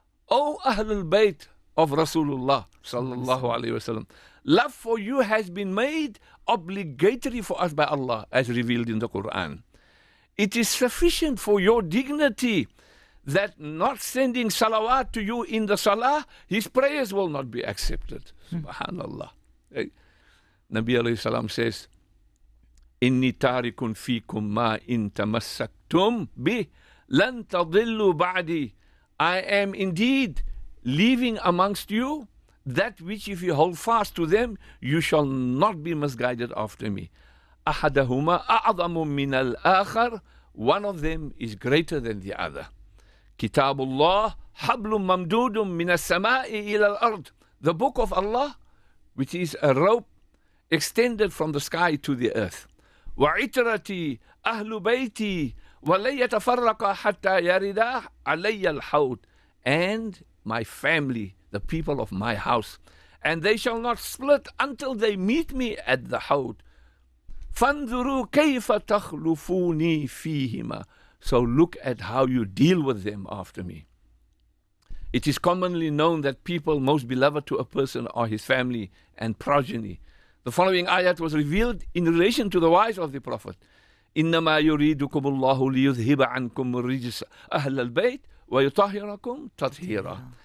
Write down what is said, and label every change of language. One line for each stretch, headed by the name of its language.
English: O Ahlul Bayt of Rasulullah sallallahu alayhi wasallam, love for you has been made obligatory for us by Allah as revealed in the Quran. It is sufficient for your dignity that not sending salawat to you in the salah, his prayers will not be accepted. Subhanallah. Nabi alayhi salam says,
Arabic: إِنِّي تَارِكٌ فِيكُمْ مَا إِن تَمَسَّكْتُمْ بِهِ لَن تَضِلُّ بَعْدِي.
English: I am indeed leaving amongst you that which if you hold fast to them, you shall not be misguided after me.
Arabic: أَحَدَهُمَا أَعْظَمُ مِنَ الْآخَرِ.
English: One of them is greater than the other.
Arabic: كِتَابُ اللَّهِ حَبْلٌ مَمْدُودٌ مِنَ السَّمَاءِ إِلَى الْأَرْضِ.
English: The book of Allah, which is a rope extended from the sky to the earth.
Arabic: وعترتي أهل بيتي ولن يتفرق حتى يرد علي الحوض.
English: And my family, the people of my house, and they shall not split until they meet me at the حوض.
Arabic: فانظروا كيف تخلفوني فيهما.
English: So look at how you deal with them after me. It is commonly known that people most beloved to a person are his family and progeny. The following ayat was revealed in relation to the wives of the Prophet.
Arabic: إِنَّمَا يُرِيدُكُمُ اللَّهُ لِيُذْهِبَ عَنْكُمْ الرِّجْسَ أَهْلَ الْبَيْتِ وَيُطَهِرَكُمْ تَطْهِيرًا.